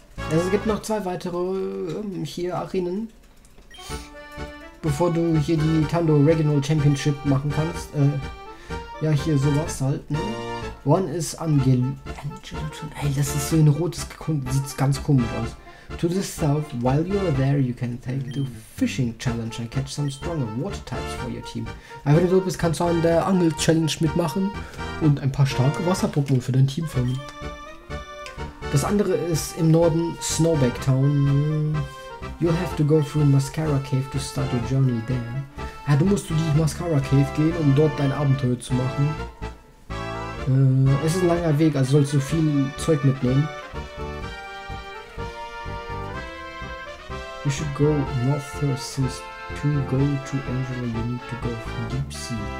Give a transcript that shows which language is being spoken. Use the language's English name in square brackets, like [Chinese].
[German] Es gibt noch zwei weitere hier Arenen. Bevor du hier die Tando Regional Championship machen kannst. Ja, hier sowas halt, ne? [English] One is Angelotron. [German] Ey, das ist so ein rotes, sieht ganz komisch aus. [English] To the south, while you are there, you can take the fishing challenge and catch some stronger water types for your team. [German] Aber wenn du so bist, kannst du an der Angel-Challenge mitmachen und ein paar starke Wasser-Pokémon für dein Team fangen. Das andere ist im Norden Snowback Town. [English] You'll have to go through Mascara Cave to start your journey there. [German] Ja, du musst durch die Mascara Cave gehen, um dort dein Abenteuer zu machen. Es ist ein langer Weg, also sollst du viel Zeug mitnehmen. [English] You should go north first, since to go to Angela, you need to go from Deep Sea.